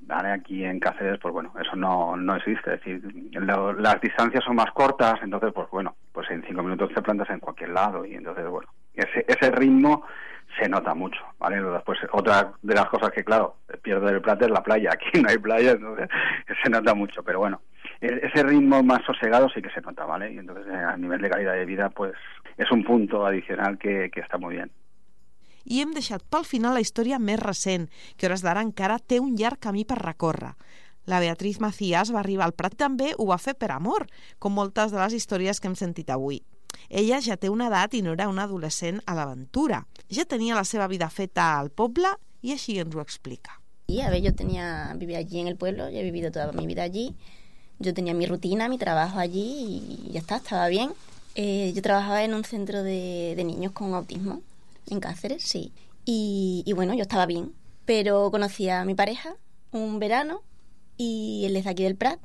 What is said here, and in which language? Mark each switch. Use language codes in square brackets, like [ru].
[es] Ahora aquí en Cáceres, pues bueno, eso no existe. Es decir, las distancias son más cortas, entonces pues bueno, pues en 5 minutos te plantas en cualquier lado y entonces, bueno, ese ritmo se nota mucho, ¿vale? Después, otra de las cosas que, claro, pierdo del plato es la playa. Aquí no hay playa, entonces se nota mucho. Pero bueno, ese ritmo más sosegado sí que se nota, ¿vale? Y entonces, a nivel de calidad de vida, pues es un punto adicional que está muy bien. [ca] I hem deixat pel final la història més recent, que a hores d'ara encara té un llarg camí per recórrer. La Beatriz Macías va arribar al Prat, també ho va fer per amor, com moltes de les històries que hem sentit avui. Ella ja té una edat i no era una adolescent a l'aventura. Ja tenia la seva vida feta al poble i així ens ho explica. [es] Sí, a ver, yo tenía, vivía allí en el pueblo, yo he vivido toda mi vida allí. Yo tenía mi rutina, mi trabajo allí y ya está, estaba bien. Yo trabajaba en un centro de niños con autismo en Cáceres, sí. Y bueno, yo estaba bien. Pero conocí a mi pareja un verano y él es de aquí del Prat.